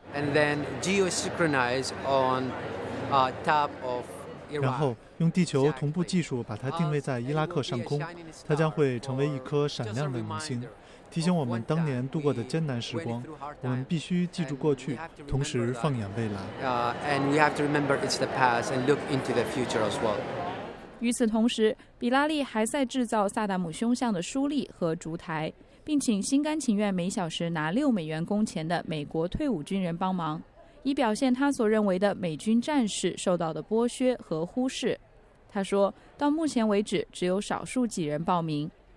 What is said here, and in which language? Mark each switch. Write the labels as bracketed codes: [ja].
[en] And then geosynchronize on top of [zh] 然后用地球同步技术把它定位在伊拉克上空，它将会成为一颗闪亮的明星，提醒我们当年度过的艰难时光。我们必须记住过去，同时放眼未来。 [en] And we have to remember it's the past and look into the future as well. [zh] 与此同时，比拉利还在制造萨达姆胸像的书立和烛台，并请心甘情愿每小时拿6美元工钱的美国退伍军人帮忙，以表现他所认为的美军战士受到的剥削和忽视。他说，到目前为止，只有少数几人报名。